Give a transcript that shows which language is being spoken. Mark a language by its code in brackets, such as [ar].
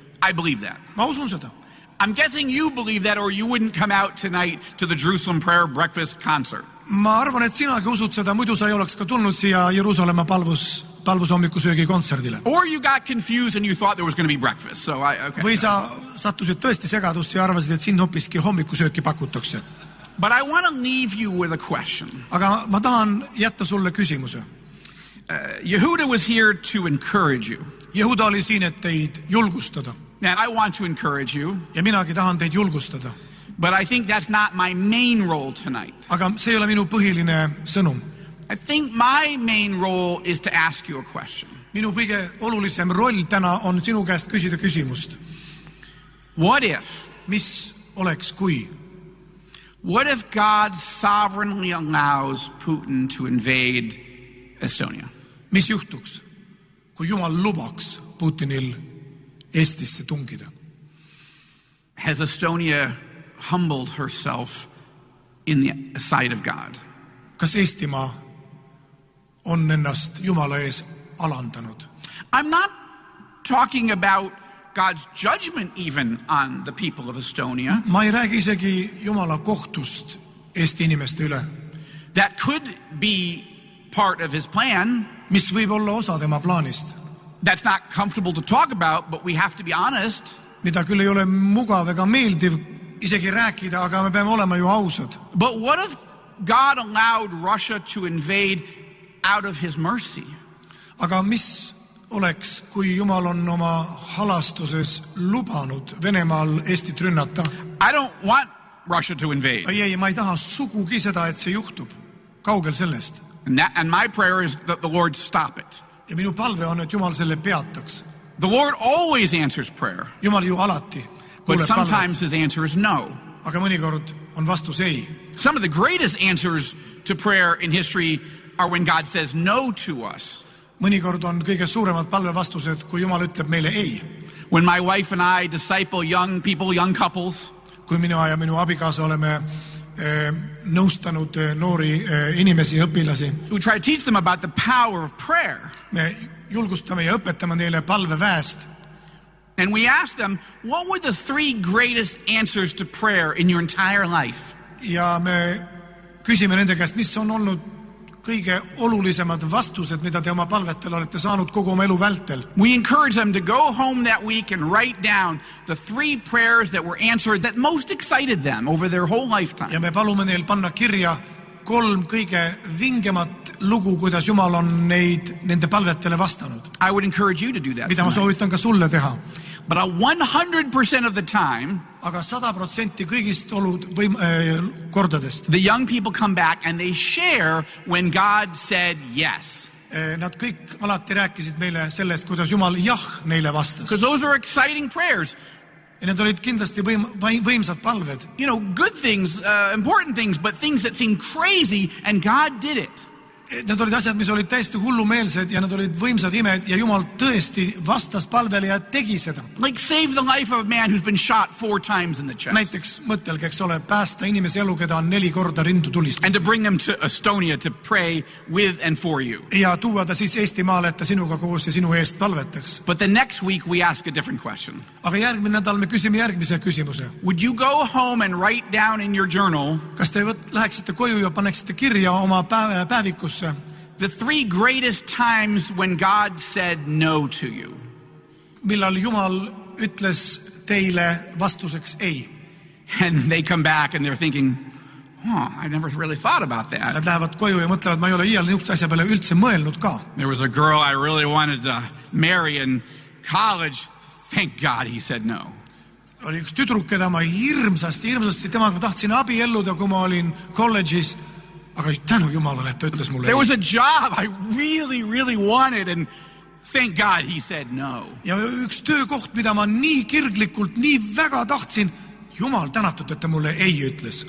[en] I believe that. [et] Ma usun seda. [en] I'm guessing you believe that or you wouldn't come out tonight to the Jerusalem Prayer Breakfast Concert. [et] Ma arvan, et sinagi usud seda, muidu sa ei oleks ka tulnud siia Jerusalema palvusommikusöögi kontserdile. [en] Or you got confused and you thought there was going to be breakfast. So I, okay. [et] Või sa sattusid tõesti segadust ja arvasid, et siin hoopiski hommikusööki pakutakse. [en] But I want to leave you with a question. [et] Aga ma tahan jätta sulle küsimuse. [en] Yehuda was here to encourage you. [et] Yehuda oli siin, et teid julgustada. [en] And I want to encourage you. [et] Ja minagi tahan teid julgustada. [en] But I think that's not my main role tonight. [et] Aga see ei ole minu põhiline sõnum. [en] I think my main role is to ask you a question. [et] Minu kõige olulisem roll täna on sinu käest küsida küsimust. [en] What if? [et] Mis oleks kui? [en] What if God sovereignly allows Putin to invade Estonia? [et] Mis juhtuks, kui Jumal lubaks Putinil Eestisse tungida? [en] Has Estonia humbled herself in the sight of God? [et] Kas Eestimaa on ennast Jumala ees alandanud? [en] I'm not talking about God's judgment even on the people of Estonia. [et] Ma ei räägi isegi Jumala kohtust Eesti inimeste üle. [en] That could be part of his plan. [et] Mis võib olla osa tema plaanist? [en] That's not comfortable to talk about, but we have to be honest. [et] Mida küll ei ole mugav ega meeldiv isegi rääkida, aga me peame olema ju ausad. [en] But what if God allowed Russia to invade out of his mercy? [et] Aga mis oleks, kui Jumal on oma halastuses lubanud Venemaal Eestit rünnata? [en] I don't want Russia to invade. [et] Ei, ma ei taha sugugi seda, et see juhtub. Kaugel sellest. [en] And my prayer is that the Lord stop it. [et] Ja minu palve on, et Jumal selle peataks. [en] The Lord always answers prayer. [et] Jumal ju alati. [en] But sometimes his answer is no. [et] Aga mõnikord on vastus ei. [en] Some of the greatest answers to prayer in history are when God says no to us. [et] Mõnikord on kõige suuremad palve vastused, kui Jumal ütleb meile ei. [en] When my wife and I disciple young people, young couples. [et] Kui minu ja minu abikaasa oleme nõustanud noori inimesi ja õpilasi. [en] We try to teach them about the power of prayer. [et] Me julgustame ja õpetame neile palve väest. [en] And we ask them, what were the three greatest answers to prayer in your entire life? [et] Ja me küsime nende käest, mis on olnud kõige olulisemad vastused, mida te oma palvetel olete saanud kogu oma elu vältel. [en] We encourage them to go home that week and write down the three prayers that were answered that most excited them over their whole lifetime. [et] Ja me palume neil panna kirja kolm kõige vingemat lugu, kuidas Jumal on neid nende palvetele vastanud. [en] I would encourage you to do that. [et] Mida ma soovitan ka sulle teha. [en] But 100% of the time, [et] aga 100% kõigist olud kordadest, [en] the young people come back and they share when God said yes. [et] Nad kõik alati rääkisid meile sellest, kuidas Jumal jah neile vastas. [en] Because those are exciting prayers. [et] Ja need olid kindlasti võimsad palved. [en] You know, good things, important things, but things that seem crazy and God did it. [et] Need olid asjad, mis olid täiesti hullumeelsed ja need olid võimsad imed ja Jumal tõesti vastas palvele ja tegi seda. [en] Like save the life of a man who's been shot 4 times in the chest. [et] Näiteks mõtelgeks ole päästa inimese elu, keda on 4 korda rindu tulistanud. [en] And to bring them to Estonia to pray with and for you. [et] Ja tuua ta siis Eesti maale, et ta sinuga koos ja sinu eest palvetaks. [en] But the next week we ask a different question. [et] Aga järgmine nädal me küsime järgmise küsimuse. [en] Would you go home and write down in your journal? [et] Kas te läheksite koju ja paneksite kirja oma päevikus? [en] The three greatest times when God said no to you. [et] Millal Jumal ütles teile vastuseks ei. [en] And they come back and they're thinking, "Huh, I never really thought about that." [et] Nad lähevad koju ja mõtlevad, ma ei ole iial niisuguse asja peale üldse mõelnud ka. [en] There was a girl I really wanted to marry in college. Thank God he said no. [et] Oli üks tüdruk, keda ma hirmsasti temaga tahtsin abielluda, kui ma olin kolledžis. Aga tänu Jumalale, et ta ütles mulle. [en] There was a job I really, really wanted and thank God he said no. [et] Ja üks töökoht, mida ma nii kirglikult, nii väga tahtsin, Jumal tänatud, et ta mulle ei ütles.